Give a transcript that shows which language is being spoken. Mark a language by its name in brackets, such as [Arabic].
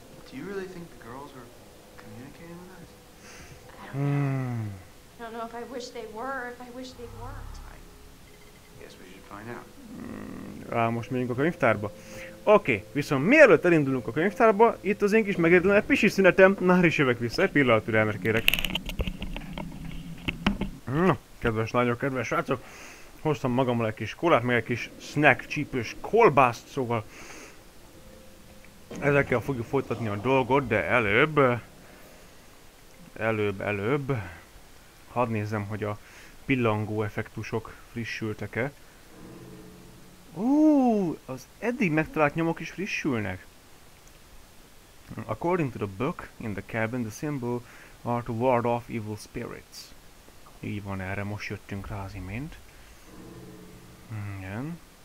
[English] Do you really think the girls were communicating with us? I don't know. I don't know if I wish they were or if I wish they weren't. I guess we should find out. [Hungarian] Á, most megyünk a könyvtárba. Oké, viszont mielőtt elindulunk a könyvtárba, itt az én kis megérdelem egy pisi szünetem. Már is jövök vissza, egy pillanat türelmet kérek. Na. Kedves lányok, kedves srácok, hoztam magammal egy kis kolát, meg egy kis snack csípős kolbászt, szóval ezekkel fogjuk folytatni a dolgot, de előbb, hadd nézzem, hogy a pillangó effektusok frissültek-e. Az eddig megtalált nyomok is frissülnek. [English] According to the book, in the cabin, the symbol are to ward off evil spirits. [Hungarian] Így van, erre most jöttünk rá az imént. Igen.